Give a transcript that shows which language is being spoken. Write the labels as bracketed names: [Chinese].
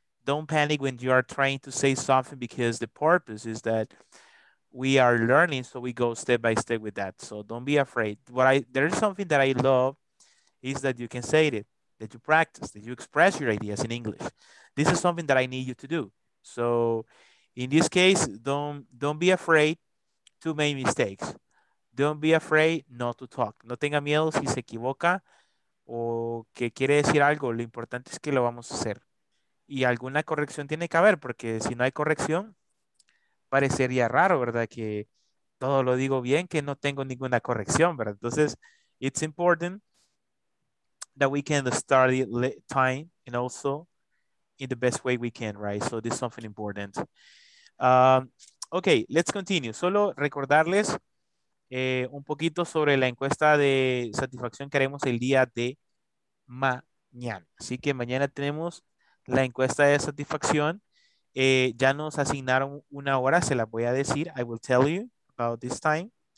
[English] Don't panic when you are trying to say something because the purpose is that we are learning, so we go step by step with that. So don't be afraid. There is something that I love is that you can say it, that you practice, that you express your ideas in English. This is something that I need you to do. So in this case, don't be afraid to make mistakes. Don't be afraid not to talk. [Spanish] No tenga miedo si se equivoca o que quiere decir algo. Lo importante es que lo vamos a hacer. Y alguna corrección tiene que haber, porque si no hay corrección, parecería raro, ¿verdad? Que todo lo digo bien, que no tengo ninguna corrección, ¿verdad? Entonces, [English] it's important that we can start it time and also in the best way we can, right? So, this is something important. Okay, let's continue. [Spanish] Solo recordarles un poquito sobre la encuesta de satisfacción que haremos el día de ma- mañana. Así que mañana tenemos la encuesta de satisfacción. Ya nos asignaron una hora, se la voy a decir. [English] I will tell you about this time.